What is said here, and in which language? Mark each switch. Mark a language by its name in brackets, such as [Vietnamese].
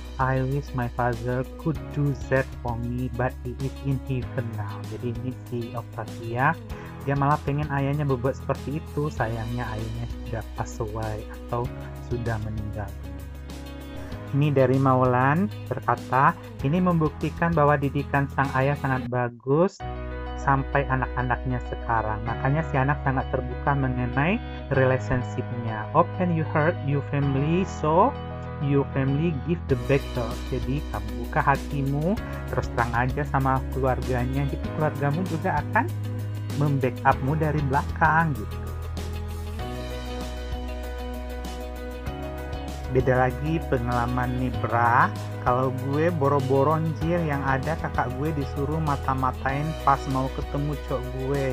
[English] I wish my father could do that for me, but he is in heaven now. [Indonesian] Jadi ini si Octavia, dia malah pengen ayahnya berbuat seperti itu. Sayangnya ayahnya sudah [English] pass away [Indonesian] atau sudah meninggal. Ini dari Maulan berkata, ini membuktikan bahwa didikan sang ayah sangat bagus sampai anak-anaknya sekarang. Makanya si anak sangat terbuka mengenai relationship-nya. [English] Open your heart, your family, so your family give the better. [Indonesian] Jadi kamu buka hatimu, terus terang aja sama keluarganya, jadi keluargamu juga akan membackupmu dari belakang gitu. Beda lagi pengalaman nih, bra. Kalau gue boro-boro anjir, yang ada kakak gue disuruh mata-matain pas mau ketemu cok gue.